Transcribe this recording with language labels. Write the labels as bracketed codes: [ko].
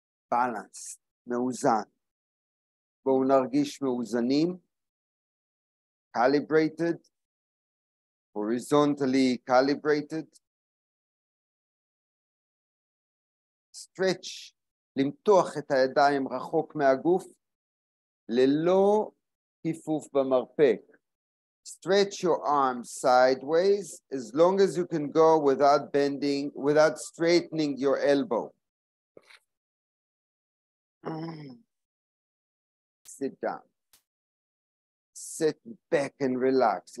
[he] Balance, meuzan. Bo nargish meuzanim, calibrated. [en] Horizontally calibrated. [he] Stretch, למתוח את הידיים רחוק מהגוף, ללא כיפוף במרפק. [en] Stretch your arms sideways as long as you can go without bending, without straightening your elbow. Sit down. Sit back and relax.